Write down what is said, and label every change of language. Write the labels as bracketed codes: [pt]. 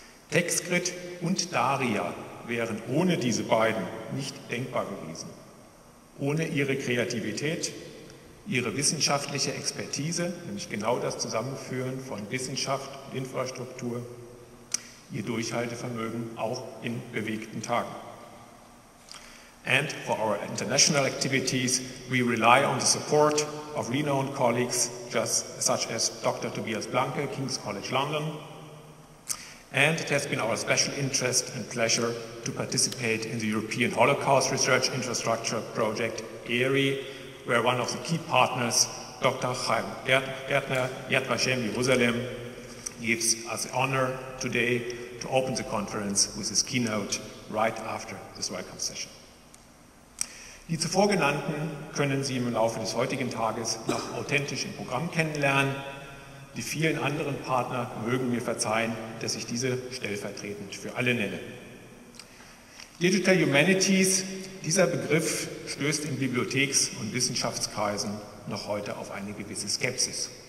[de] TechScrit und Daria wären ohne diese beiden nicht denkbar gewesen. Ohne ihre Kreativität, ihre wissenschaftliche Expertise, nämlich genau das Zusammenführen von Wissenschaft und Infrastruktur, ihr Durchhaltevermögen auch in bewegten Tagen. [en] And for our international activities, we rely on the support of renowned colleagues just such as Dr. Tobias Blanke, King's College London. And it has been our special interest and pleasure to participate in the European Holocaust Research Infrastructure Project, ERI, where one of the key partners, Dr. Chaim Gärtner, Yad Vashem, Jerusalem, gives us the honor today to open the conference with his keynote right after this welcome session. [de] Die zuvor genannten können Sie im Laufe des heutigen Tages noch authentisch im Programm kennenlernen. Die vielen anderen Partner mögen mir verzeihen, dass ich diese stellvertretend für alle nenne. Digital Humanities, dieser Begriff stößt in Bibliotheks- und Wissenschaftskreisen noch heute auf eine gewisse Skepsis.